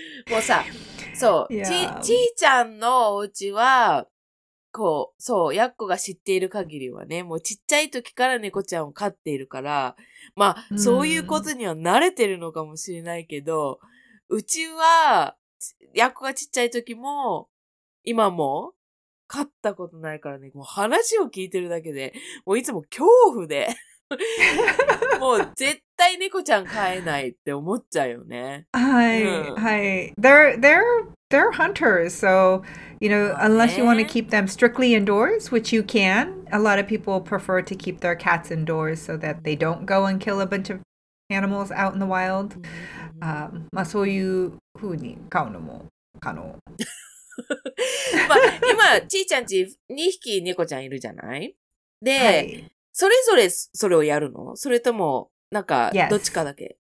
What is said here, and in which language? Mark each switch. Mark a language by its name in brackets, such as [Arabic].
[Japanese] もうさ、そう、ちーちゃんのお家は、こう、そう、やっこが知っている限りはね、もうちっちゃい時から猫ちゃんを飼っているから、まあ、そういうことには慣れてるのかもしれないけど、うちは、やっこがちっちゃい時も、今も、飼ったことないからね、もう話を聞いてるだけで、もういつも恐怖で、もう絶対猫ちゃん飼えないって思っちゃうよね。はい、はい。 [English] They're hunters, so, you know, unless you want to keep them strictly indoors, which you can, a lot of people prefer to keep their cats indoors so that they don't go and kill a bunch of animals out in the wild. [Japanese] まあそういうふうに飼うのも可能。まあ今、ちーちゃんち2匹猫ちゃんいるじゃない？で、はい、それぞれそれをやるの？それともなんかどっちかだけ？